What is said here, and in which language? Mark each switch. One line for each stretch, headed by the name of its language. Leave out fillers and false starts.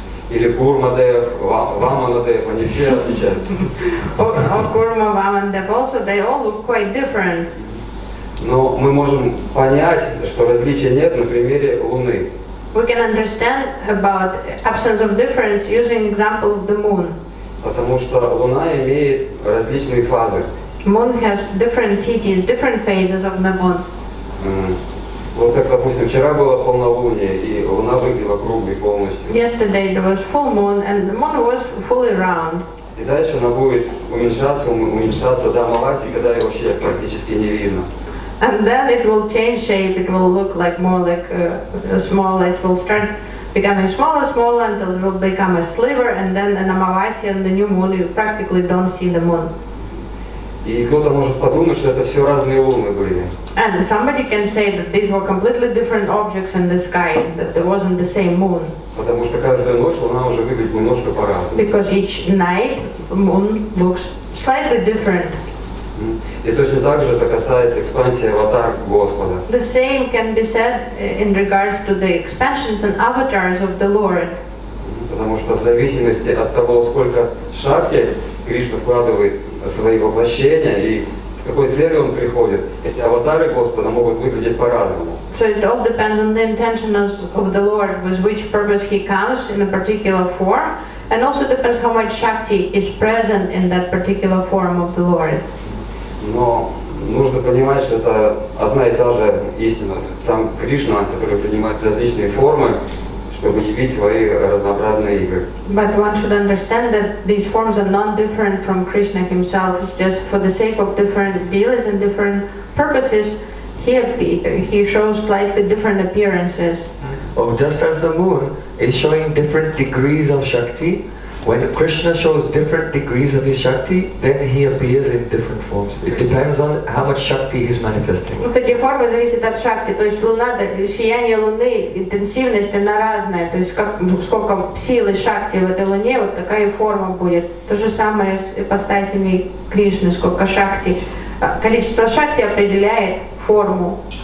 Russian: Или Курмадев, Ваманадев, они все отличаются.
English: Or Курма, Ваманадев, also they all look quite different.
Russian: Но мы можем понять, что различия нет на примере Луны.
English: We can understand about absence of difference using example of the Moon.
Russian: Потому что Луна имеет различные фазы.
English: Moon has different titis, different phases of the Moon.
Russian: Вот как, допустим, вчера было полнолуние, и Луна выглядела круглой полностью.
English: Yesterday there was full moon, and the moon was fully round.
Russian: И дальше она будет уменьшаться до Амаваси, когда ее вообще практически не видно.
English: And then it will change shape, it will look like more like a small, it will start becoming smaller until it will become a sliver, and then in Амаваси and the new moon you practically don't see the moon.
Russian: И кто-то может подумать, что это все разные луны были.
English: And somebody can say that these were completely different objects in the sky, that there wasn't the same moon.
Russian: Потому что каждую ночь луна уже выглядит немножко по-разному.
English: Because each night moon looks slightly different.
Russian: И точно так же это касается экспансии аватар Господа.
English: The same can be said in regards to the expansions and avatars of the Lord.
Russian: Потому что в зависимости от того, сколько шакти Кришна вкладывает свои воплощения и с какой целью он приходит, эти аватары Господа могут выглядеть по-разному.
English: So it all depends on the intention of the Lord, with which purpose he comes in a particular form, and also depends how much Shakti is present in that particular form of the Lord.
Russian: Но нужно понимать, что это одна и та же истина. Сам Кришна, который принимает различные формы, чтобы явить свои разнообразные игры.
English: But one should understand that these forms are not different from Krishna himself. It's just for the sake of different bilas and different purposes, he shows slightly different appearances. Oh, just as the moon is showing different degrees of Shakti, when Krishna shows different degrees of his Shakti, then he appears in different forms. It depends on how much Shakti he is manifesting.
Russian: Такие формы зависят от Шакти. То есть луна, сияние луны, интенсивность, она разная. То есть как, сколько силы Шакти в этой луне, вот такая форма будет. То же самое с ипостасями Кришны, сколько Шакти. Количество Шакти определяет форму.